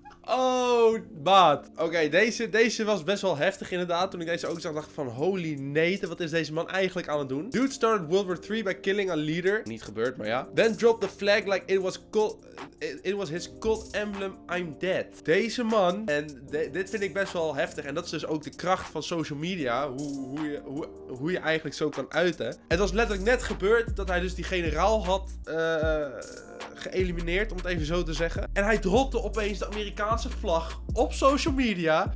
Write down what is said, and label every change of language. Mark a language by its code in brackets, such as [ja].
[nl] Oh, maat. Oké, deze was best wel heftig inderdaad. Toen ik deze ook zag, dacht ik van holy nate, wat is deze man eigenlijk aan het doen? [en] Dude started World War 3 by killing a leader. [nl] Niet gebeurd, maar ja. [en] Then dropped the flag like it was his cult emblem, I'm dead. [nl] Deze man, en dit vind ik best wel heftig. En dat is dus ook de kracht van social media. Hoe je eigenlijk zo kan uiten. Het was letterlijk net gebeurd dat hij dus die generaal had geëlimineerd, om het even zo te zeggen. En hij dropte opeens de Amerikaanse vlag op social media.